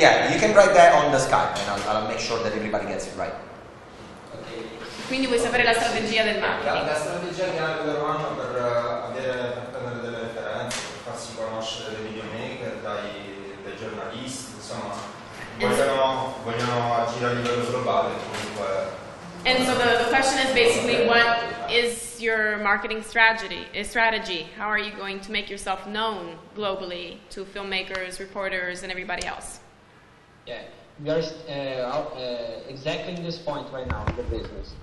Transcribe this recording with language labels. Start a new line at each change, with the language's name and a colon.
English: Yeah, you can write that on the Skype and I'll make sure that everybody gets it right.
Italian: Okay. Quindi vuoi sapere la strategia del marketing? La strategia che hanno per avere per prendere delle referenze, per farsi conoscere dai videomaker, dai giornalisti, insomma, vogliono agire a livello globale comunque.
English: And so the question is basically, what is your marketing strategy? How are you going to make yourself known globally to filmmakers, reporters, and everybody else? Yeah, we are exactly in this point right now in the business.